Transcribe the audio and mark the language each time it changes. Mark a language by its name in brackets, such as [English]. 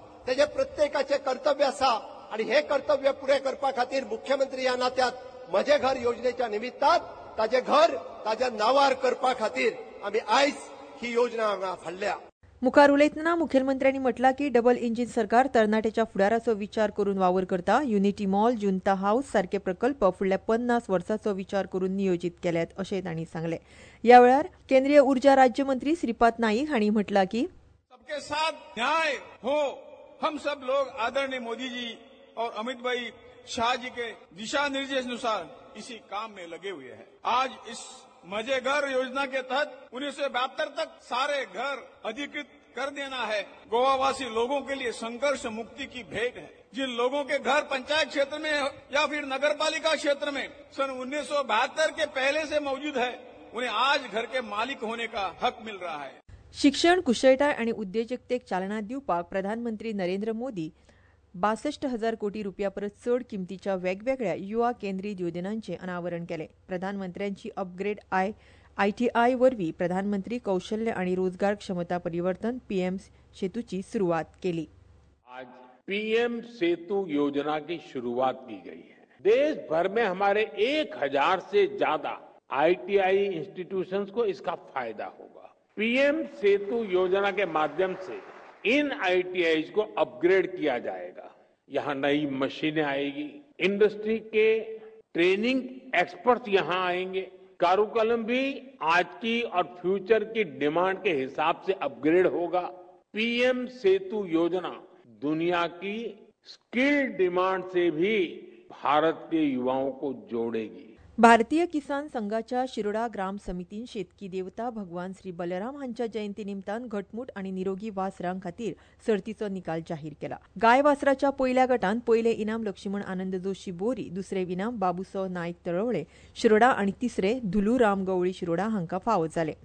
[Goan Konkani] तेजे प्रत्येकाचे कर्तव्य आसा आणि हे कर्तव्य पुरे करपा खातीर मुख्यमंत्री या नात्यात म्हजे घर योजनेच्या निमित्तात ताजे घर ताज्या नावार करपा खातीर आम्ही आयज ही योजना हांगा हाडल्या. मुखार उलयतना मुखेलमंत्र्यांनी म्हटला की डबल इंजिन सरकार तरणाट्याच्या फुडाराचो विचार करून वावर करता. युनिटी मॉल, जुंता हाऊस सारखे प्रकल्प फुडल्या 50 वर्सांचो विचार करून नियोजित केल्यात असे तांणी सांगले. या वेळार केंद्रीय उर्जा राज्यमंत्री श्रीपाद नाईक हांणी म्हटला की [Hindi] सबके साथ न्याय हो, हम सब लोग आदरणीय मोदी जी और अमित भाई शाह जी के दिशा निर्देश अनुसार इसी काम में लगे हुए हैं. आज इस मजे घर योजना के तहत 1972 तक सारे घर अधिकृत कर देना है. गोवा वासी लोगों के लिए संघर्ष मुक्ति की भेंट है. जिन लोगों के घर पंचायत क्षेत्र में या फिर नगर पालिका क्षेत्र में सन 1972 के पहले से मौजूद है उन्हें आज घर के मालिक होने का हक मिल रहा है. [Goan Konkani] शिक्षण कुशळटाय आणि उद्योजकतेक चालना दिवपाक प्रधानमंत्री नरेंद्र मोदी 62,000 कोटी रुपया परस चढ किमतीच्या वेगवेगळ्या युवा केंद्रीत योजनांचे अनावरण केले. प्रधानमंत्र्यांची अपग्रेड ITI वरवी प्रधानमंत्री कौशल्य आणि रोजगार क्षमता परिवर्तन PM सेतूची सुरुवात केली. [Hindi] आज PM सेतू योजना की सुरुवात की गई है. देश भर में हमारे 1,000 से ज्यादा ITI इंस्टीट्यूशन को इसका फायदा होगा. PM सेतू योजना के माध्यम से इन ITIs को अपग्रेड किया जाएगा. यहाँ नई मशीनें आएगी, इंडस्ट्री के ट्रेनिंग एक्सपर्ट्स यहाँ आएंगे, कारुकलम भी आज की और फ्यूचर की डिमांड के हिसाब से अपग्रेड होगा. PM सेतु योजना दुनिया की स्किल डिमांड से भी भारत के युवाओं को जोड़ेगी. [Goan Konkani] भारतीय किसान संघाच्या शिरोडा ग्राम समितीन शेतकी देवता भगवान श्री बलराम हांच्या जयंती निमतान घटमूट आणि निरोगी वासरां खातीर सर्तीचो निकाल जाहीर केला. गाय वासराच्या पहिल्या गटान पहिले इनाम लक्ष्मण आनंद जोशी बोरी, दुसरे इनाम बाबुसाव नायक तळवळे शिरोडा आणि तिसरे धुलूराम गवळी शिरोडा हांकां फावो जाले.